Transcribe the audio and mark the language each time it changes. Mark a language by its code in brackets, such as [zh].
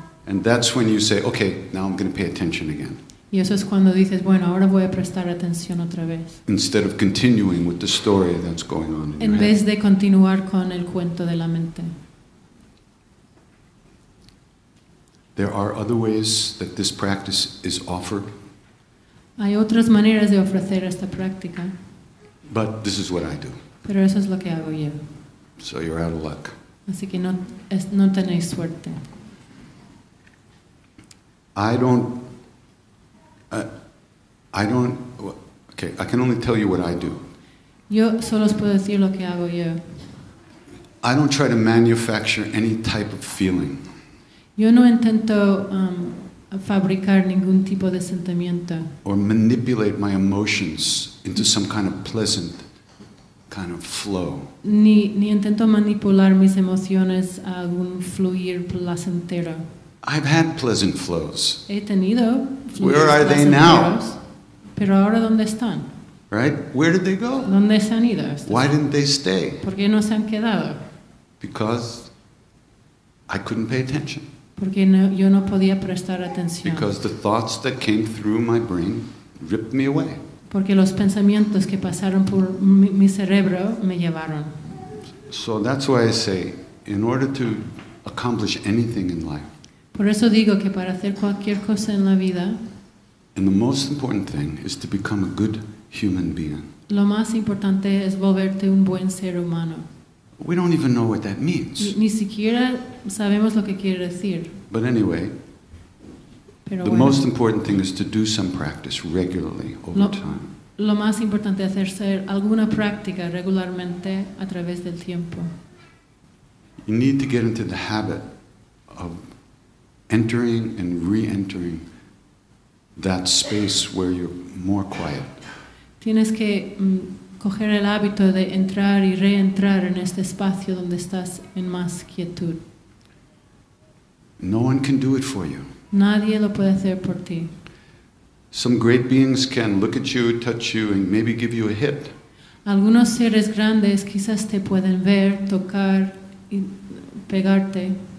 [en] And that's when you say, okay, now I'm going to pay attention again. [es] Y eso es cuando dices, bueno, ahora voy a prestar atención otra vez. [en] Instead of continuing with the story that's going on in your head. [es] En vez de continuar con el cuento de la mente. [en] There are other ways that this practice is offered. [es] Hay otras maneras de ofrecer esta práctica. [en] But this is what I do. [es] Pero eso es lo que hago yo. [en] So you're out of luck. [es] Así que no tenéis suerte. [en] Okay, I can only tell you what I do. [es] Yo solo os puedo decir lo que hago yo. [en] I don't try to manufacture any type of feeling. [es] Yo no intento fabricar ningún tipo de sentimiento. [en] Or manipulate my emotions into some kind of pleasant kind of flow. [es] Ni intento manipular mis emociones a algún fluir placentero. [en] I've had pleasant flows. [es] He tenido fluidos. [en] Where are they now? [es] Pero ahora, ¿dónde están? [en] Right? Where did they go? [es] ¿Dónde se han ido? [en] Why didn't they stay? [es] ¿Por qué no se han quedado? [en] Because I couldn't pay attention. [es] Porque no, yo no podía prestar atención. [en] Because the thoughts that came through my brain ripped me away. [es] Porque los pensamientos que pasaron por mi cerebro me llevaron. [en] So that's why I say, in order to accomplish anything in life, [es] por eso digo que para hacer cualquier cosa en la vida, [en] and the most important thing is to become a good human being. [es] Lo más importante es volverte un buen ser humano. [en] We don't even know what that means. [es] Ni siquiera sabemos lo que quiere decir. [en] But anyway, [es] Pero [en] the [es] bueno, [en] most important thing is to do some practice regularly over time. [es] Lo más importante es hacerse alguna práctica regularmente a través del tiempo. [en] You need to get into the habit of entering and re-entering that space where you're more quiet. [es] Tienes que coger el hábito de entrar y reentrar en este espacio donde estás en más quietud. [en] No one can do it for you. [es] Nadie lo puede hacer por ti. [en] Some great beings can look at you, touch you, and maybe give you a hit. [es] Algunos seres grandes quizás te pueden ver, tocar y pegarte.